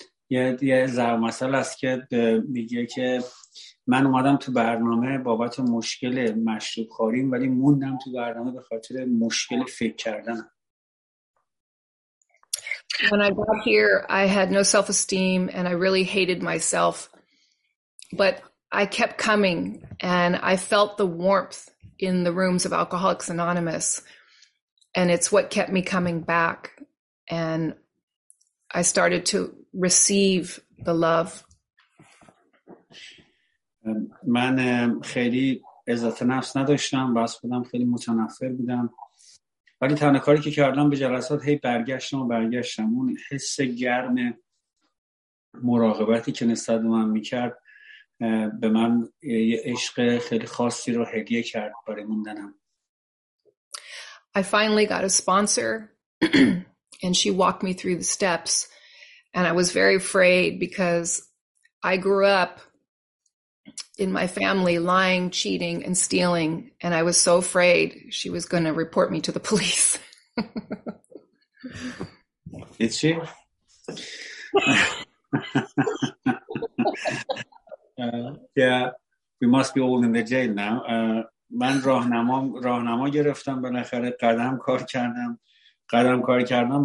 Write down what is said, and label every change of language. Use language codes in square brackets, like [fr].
[fa] یه ضرب مثل است که میگه که من اومدم تو برنامه بابت مشکل مشروب خوریم ولی موندم تو برنامه به خاطر مشکل فکر کردنم. [en] When I got here, I had no self-esteem and I really hated myself. But I kept coming and I felt the warmth in the rooms of Alcoholics Anonymous. And it's what kept me coming back. And I started to receive the love. [fa] من خیلی عزت نفس نداشتم، واسه خودم خیلی متنفر بودم. ولی تنها کاری که کردم به جلسات هی برگشتم و برگشتم، اون حس گرم مراقبتی که نسبت به من میکرد به من یه عشق خیلی خاصی رو هدیه کرد برای موندنم. [en] I finally got a sponsor and she walked me through the steps and I was very afraid because I grew up in my family lying, cheating and stealing and I was so afraid she was going to report me to the police. Did she? yeah, we must be all in the jail now. [fa] من راهنما گرفتم، بالاخره قدم کار کردم.